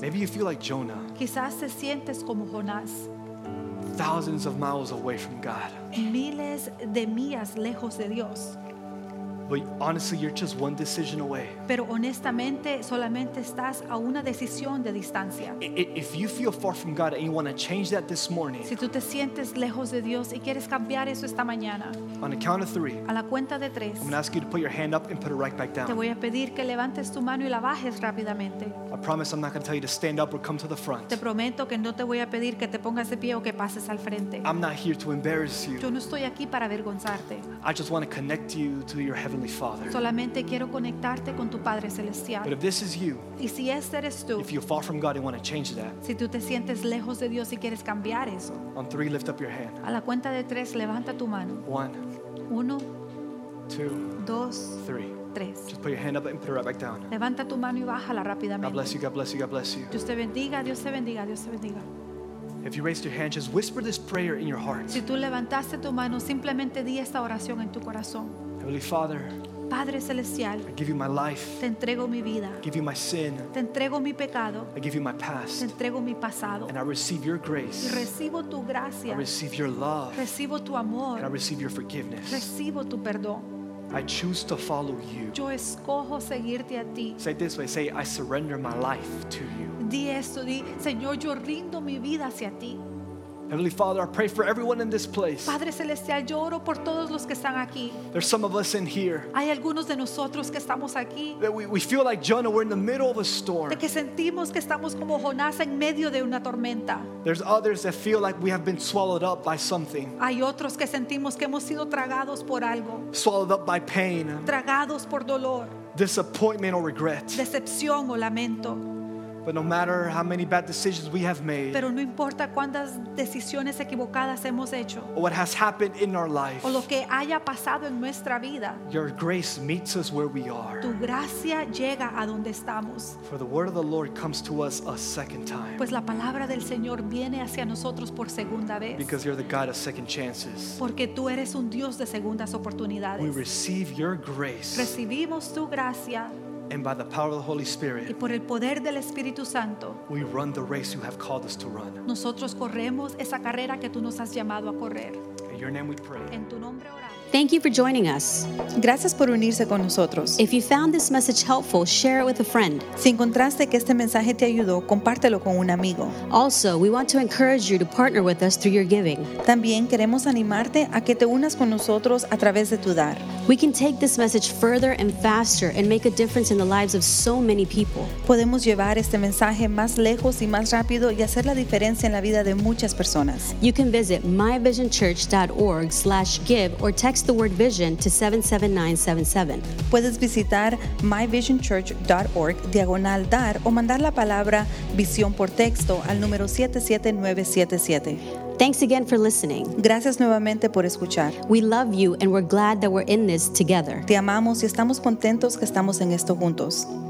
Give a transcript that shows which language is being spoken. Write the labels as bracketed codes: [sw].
[en] maybe you feel like Jonah. [es] Quizás te sientes como Jonás. [en] Thousands of miles away from God. [es] Miles de millas lejos de Dios. [en] But honestly, you're just one decision away. [es] Pero honestamente, solamente estás a una decisión de distancia. [en] If you feel far from God and you want to change that this morning, [es] si tú te sientes lejos de Dios y quieres cambiar eso esta mañana, [en] on the count of three, [es] a la cuenta de tres, [en] I'm going to ask you to put your hand up and put it right back down. [es] Te voy a pedir que levantes tu mano y la bajes rápidamente. [en] I promise I'm not going to tell you to stand up or come to the front. [es] Te prometo que no te voy a pedir que te pongas de pie o que pases al frente. [en] I'm not here to embarrass you. [es] Yo no estoy aquí para avergonzarte. [en] I just want to connect you to your heavenly Father. [es] Solamente quiero conectarte con tu Padre Celestial. [en] But if this is you, [es] y si este eres tú, [en] if you're far from God and want to change that, [es] si tú te sientes lejos de Dios y quieres cambiar eso, [en] on three, lift up your hand. [es] A la cuenta de tres, levanta tu mano. [en] One. [es] Uno. [en] Two. [es] Dos. [en] Three. [es] Tres. [en] Just put your hand up and put it right back down. [es] Levanta tu mano y bájala rápidamente. [en] God bless you. God bless you. God bless you. [es] Dios te bendiga. Dios te bendiga. Dios te bendiga. [en] If you raised your hand, just whisper this prayer in your heart. [es] Si tú levantaste tu mano, simplemente di esta oración en tu corazón. [en] Heavenly Father, [es] Padre Celestial, [en] I give you my life. [es] Te entrego mi vida. [en] I give you my sin. [es] Te entrego mi pecado. [en] I give you my past. [es] Te entrego mi pasado. [en] And I receive your grace. [es] Y recibo tu gracia. [en] I receive your love. [es] Recibo tu amor. [en] And I receive your forgiveness. [es] Recibo tu perdón. [en] I choose to follow you. [es] Yo escojo seguirte a ti. [en] Say it this way. Say, I surrender my life to you. [es] Di esto. Di, Señor, yo rindo mi vida hacia ti. [en] Heavenly Father, I pray for everyone in this place. [es] Padre Celestial, yo oro por todos los que están aquí. [en] There's some of us in here. [es] Hay algunos de nosotros que estamos aquí. [en] That we feel like Jonah, we're in the middle of a storm. [es] De que sentimos que estamos como Jonás en medio de una tormenta. [en] There's others that feel like we have been swallowed up by something. [es] Hay otros que sentimos que hemos sido tragados por algo. [en] Swallowed up by pain. [es] Tragados por dolor. [en] Disappointment or regret. [es] Decepción o lamento. [en] But no matter how many bad decisions we have made, [es] pero no importa cuántas decisiones equivocadas hemos hecho, [en] or what has happened in our life, [es] o lo que haya pasado en nuestra vida, [en] your grace meets us where we are. [es] Tu gracia llega a donde estamos. [en] For the word of the Lord comes to us a second time. [es] Pues la palabra del Señor viene hacia nosotros por segunda vez. [en] Because you're the God of second chances. [es] Porque tú eres un Dios de segundas oportunidades. [en] We receive your grace. [es] Recibimos tu gracia. [en] And by the power of the Holy Spirit, [es] y por el poder del Espíritu Santo, [en] we run the race you have called us to run. [es] Nosotros corremos esa carrera que tú nos has llamado a correr. [en] In your name we pray. [es] En tu nombre oramos. [en] Thank you for joining us. [es] Gracias por unirse con nosotros. [en] If you found this message helpful, share it with a friend. [es] Si encontraste que este mensaje te ayudó, compártelo con un amigo. [en] Also, we want to encourage you to partner with us through your giving. [es] También queremos animarte a que te unas con nosotros a través de tu dar. [en] We can take this message further and faster and make a difference in the lives of so many people. [es] Podemos llevar este mensaje más lejos y más rápido y hacer la diferencia en la vida de muchas personas. [en] You can visit myvisionchurch.org/give or text the word vision to 77977. [es] Puedes visitar myvisionchurch.org/dar o mandar la palabra visión por texto al número 77977. [en] Thanks again for listening. [es] Gracias nuevamente por escuchar. [en] We love you and we're glad that we're in this together. [es] Te amamos y estamos contentos que estamos en esto juntos.